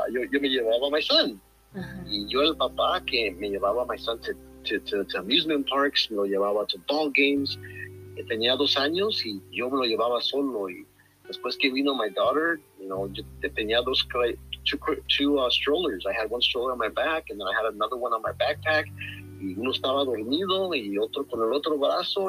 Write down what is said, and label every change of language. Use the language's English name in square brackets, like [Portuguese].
[Spanish] yo me llevaba a [English] my son. [Spanish] Uh-huh. Y yo el papá que me llevaba a [English] my son to amusement parks, [Spanish] me lo llevaba [English] to ball games. [Spanish] Tenía 2 años y yo me lo llevaba solo. Y después que vino [English] my daughter, [Spanish] tenía [English] two strollers. I had one stroller on my back and then I had another one on my backpack. [Spanish] Y uno estaba dormido y otro con el otro brazo.